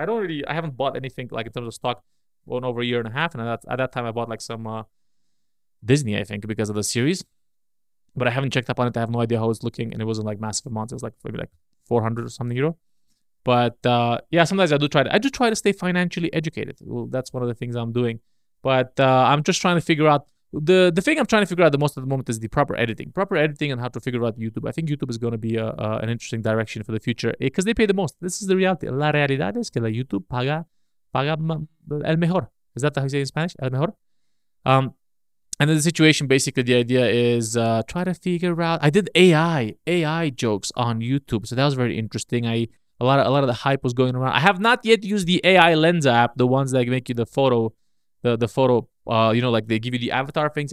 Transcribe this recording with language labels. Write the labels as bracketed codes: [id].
[en] I haven't bought anything like in terms of stock. Well, over a year and a half, and at that time I bought like some Disney, I think, because of the series, but I haven't checked up on it. I have no idea how it's looking, and it wasn't like massive amounts. It was like maybe like 400 or something euro, but yeah, sometimes I do try to stay financially educated. Well, that's one of the things I'm doing, but I'm just trying to figure out the thing I'm trying to figure out the most at the moment is the proper editing and how to figure out YouTube. I think YouTube is going to be an interesting direction for the future, because they pay the most. This is the reality. [es] La realidad es que la YouTube paga el mejor. [en] Is that how you say it in Spanish? [es] El mejor? [en] And then the situation, basically, the idea is try to figure out. I did AI jokes on YouTube. So that was very interesting. A lot of the hype was going around. I have not yet used the AI lens app, the ones that make you the photo, you know, like they give you the avatar things.